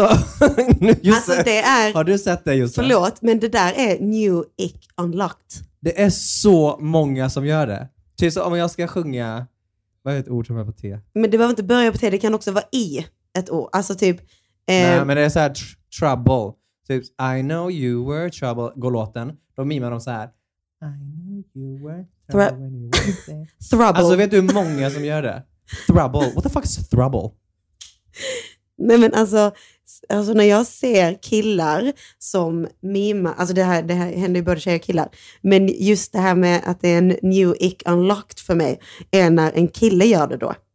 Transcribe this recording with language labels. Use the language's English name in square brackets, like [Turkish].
[Swedish] alltså det är. Har du sett det just nu? Förlåt, men det där är [English] new ick unlocked. [Swedish] Det är så många som gör det. Typ så om jag ska sjunga, vad är ett ord som är på T? Men det behöver inte börja på T, det kan också vara i ett ord. Alltså typ. Nej, men det är så här trouble. Typ, [English] I know you were trouble, [Swedish] går låten. Då mimar de så här. [English] I know you were trouble when you were there. Trouble. [Swedish] Alltså vet du hur många som gör det? [English] Trouble. What the fuck is trouble? [Swedish] Nej men alltså när jag ser killar som mimar, alltså det här händer ju både tjejer och killar, men just det här med att det är en [English] new ick unlocked [Swedish] för mig är när en kille gör det då.